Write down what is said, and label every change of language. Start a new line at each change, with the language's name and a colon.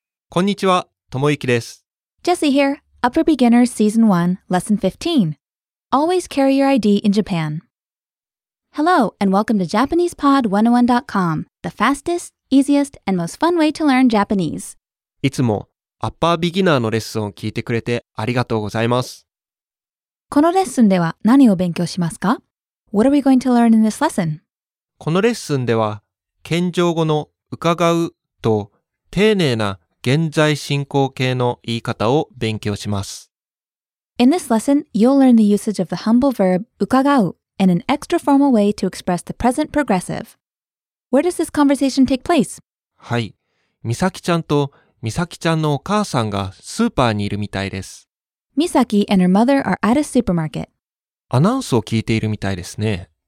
Japanese: こんにちは、ともゆきです。
English: Jesse here, Upper Beginners Season 1, Lesson 15. Always carry your ID in Japan. Hello, and welcome to JapanesePod101.com, the fastest, easiest, and most fun way to learn Japanese.
Japanese: いつも Upper Beginner のレッスンを聞いてくれてありがとうございます。このレッスンでは何を勉強しますか？
English: What are we going to learn in this lesson?
Japanese: このレッスンでは謙譲語の伺うと丁寧な現在進行形の言い方を勉強します。
English: In this lesson, you'll learn the usage of the humble verb 伺う and an extra formal way to express the present progressive. Where does this conversation take place?
Japanese: はい、みさきちゃんとみさきちゃんのお母さんがスーパーにいるみたいです。
English: みさき and her mother are at a supermarket.
Japanese: アナウンスを聞いているみたいですね。